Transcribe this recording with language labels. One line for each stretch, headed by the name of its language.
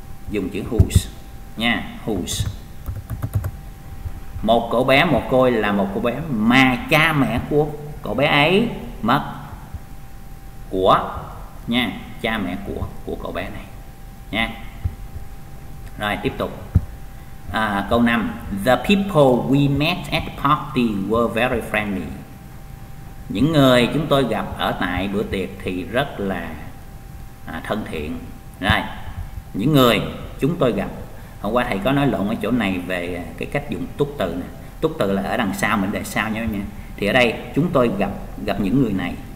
Vietnamese: Dùng chữ whose nha, whose. Một cậu bé mồ côi là một cậu bé mà cha mẹ của cậu bé ấy mất. Của nha, cha mẹ của cậu bé này nha. Rồi tiếp tục. Câu 5.
English: The people we met at the party were very friendly.
Vietnamese: Những người chúng tôi gặp ở tại bữa tiệc thì rất là thân thiện. Rồi, những người chúng tôi gặp. Hôm qua thầy có nói lộn ở chỗ này về cái cách dùng túc từ nè. Túc từ là ở đằng sau, mình để sau nhé nha. Thì ở đây chúng tôi gặp những người này.